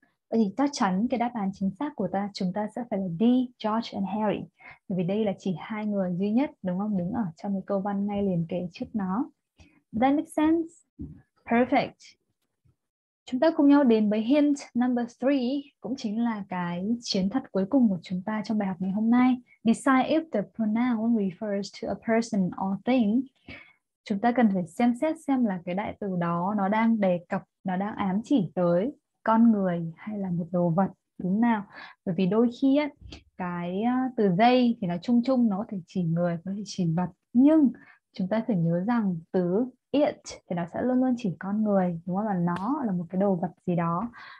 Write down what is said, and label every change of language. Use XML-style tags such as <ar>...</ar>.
<vi>Vậy thì chắc chắn cái đáp án chính xác của ta, chúng ta sẽ phải là D, George and Harry, vì đây là chỉ hai người duy nhất, đúng không, đứng ở trong cái câu văn ngay liền kề trước nó.</vi> <en>Does that make sense? Perfect.</en> <vi>Chúng ta cùng nhau đến với</vi> <en>hint number 3,</en> <vi>cũng chính là cái chiến thuật cuối cùng của chúng ta trong bài học ngày hôm nay.</vi> <en>Decide if the pronoun refers to a person or thing.</en> <vi>Chúng ta cần phải xem xét xem là cái đại từ đó nó đang đề cập, nó đang ám chỉ tới con người hay là một đồ vật, đúng nào? Bởi vì đôi khi ấy, cái từ they thì nó chung chung, nó có thể chỉ người, có thể chỉ vật. Nhưng chúng ta phải nhớ rằng từ it thì nó sẽ luôn luôn chỉ con người, đúng không, là nó là một cái đồ vật gì đó.</vi>